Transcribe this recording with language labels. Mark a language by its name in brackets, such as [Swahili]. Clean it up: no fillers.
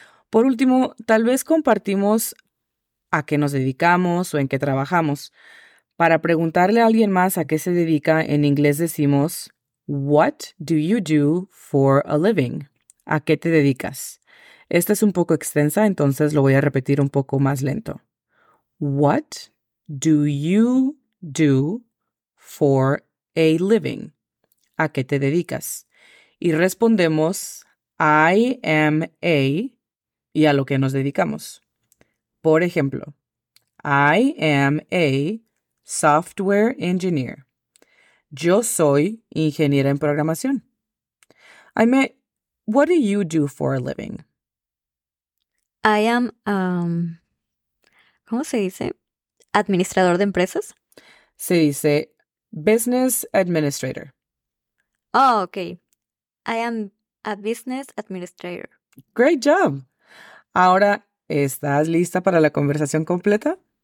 [Spanish] Por último, tal vez compartimos a qué nos dedicamos o en qué trabajamos. Para preguntarle a alguien más a qué se dedica, en inglés decimos, [English] What do you do for a living? [Spanish] ¿A qué te dedicas? Esta es un poco extensa, entonces lo voy a repetir un poco más lento. [English] What do you do for a living? [Spanish] ¿A qué te dedicas? Y respondemos, [English] I am a, [Spanish] y a lo que nos dedicamos. Por ejemplo, [English] I am a software engineer. [Spanish] Yo soy ingeniera en programación. [English] I mean, what do you do for a living? I am, [Spanish] ¿cómo se dice? ¿Administrador de empresas? Se dice [English] business administrator. Oh, okay. I am a business administrator. Great job. [Spanish] Ahora, ¿estás lista para la conversación completa?